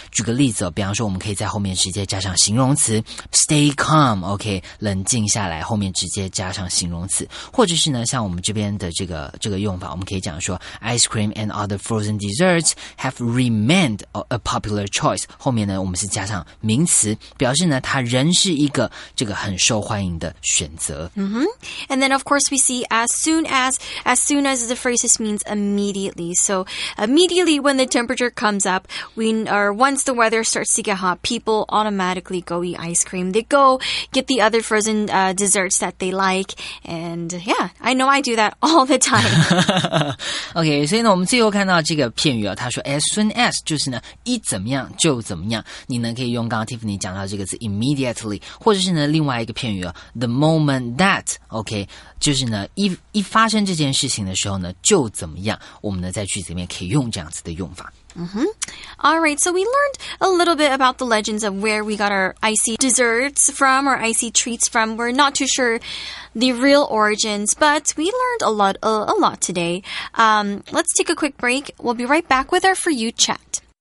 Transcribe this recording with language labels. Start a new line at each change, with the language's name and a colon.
Chinese: 举个例子哦，比方说我们可以在后面直接加上形容词 stay calm, OK, 冷静下来，后面直接加上形容词。或者是呢，像我们这边的这个用法，我们可以讲说
English: ice cream and other frozen desserts have remained a popular choice.
Chinese: 后面呢，我们是加上名词，表示呢，它仍是一个这个很受欢迎的选择。 Mm-hmm.
English: And then, of course, we see as soon as the phrase means immediately. So immediately when the temperature comes up, once the weather starts to get hot, people automatically go eat ice cream. They go get the other frozen desserts that they like. And yeah, I know I do that all the time.
Chinese: Okay, 所以呢，我们最后看到这个片语啊，他说 as soon as 就是呢一怎么样就怎么样。你呢可以用刚刚 Tiffany 讲到这个字 immediately， 或者是呢另外一个片语啊 the moment that。 Okay， 就是呢一发生这件事情的时候呢就怎么样。我们呢在句子里面可以用这样子的用法。 Mm-hmm.
English: All right, so we learned a little bit about the legends of where we got our icy desserts from or icy treats from. We're not too sure the real origins, but we learned a lot today. Let's take a quick break. We'll be right back with our For You Chat.